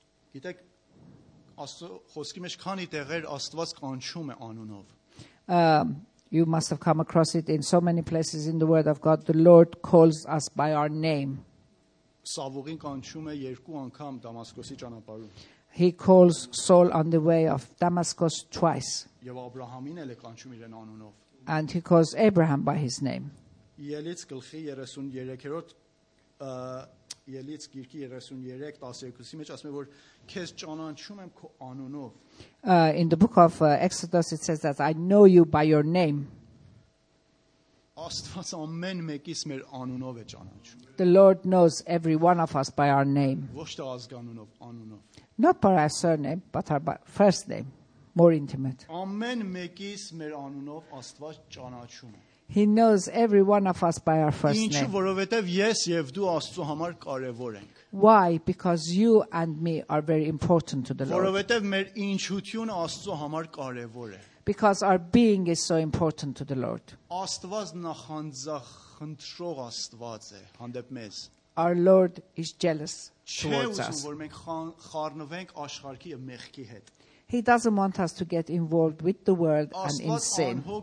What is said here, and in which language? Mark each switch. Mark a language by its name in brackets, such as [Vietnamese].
[Armenian] Գիտեք, Աստծո խոսքի մեջ քանի տեղեր Աստված կանչում է անունով. [English] You must have come across it in so many places in the word of God. The Lord calls us by our name. [Armenian] Սավուղին կանչում է երկու անգամ Դամասկոսի ճանապարհում. [English] He calls Saul on the way of Damascus twice. [Armenian] Եվ Աբราհամին էլ է կանչում իրեն անունով. [English] And he calls Abraham by his name. [Armenian] Ելից գլխի 33-րդ Ելից գիրքի 33:12-ի մեջ ասում է, որ քեզ ճանաչում եմ քո անունով. [English] In the book of Exodus it says that I know you by your name. [Armenian] Աստված ամեն մեկիս մեր անունով է ճանաչում. [English] The Lord knows every one of us by our name. [Armenian] Ոչ թե ազգանունով, անունով. [English] Not by our surname, but our first name, more intimate. [Armenian] Ամեն մեկիս մեր անունով Աստված ճանաչում է. [English] He knows every one of us by our first name. [Armenian] Ինչու, որովհետև ես եւ դու Աստծո համար կարևոր ենք. [English] Why? Because you and me are very important to the Lord. [Armenian] Որովհետև մեր ինչությունը Աստծո համար կարևոր է. [English] Because our being is so important to the Lord. [Armenian] Աստված նախանձախնդրող Աստված է հանդեպ մեզ. [English] Our Lord is jealous towards us. [Armenian] Չէ ուզում, որ մենք խառնվենք աշխարհի եւ մեղքի հետ. [English] He doesn't want us to get involved with the world and in sin.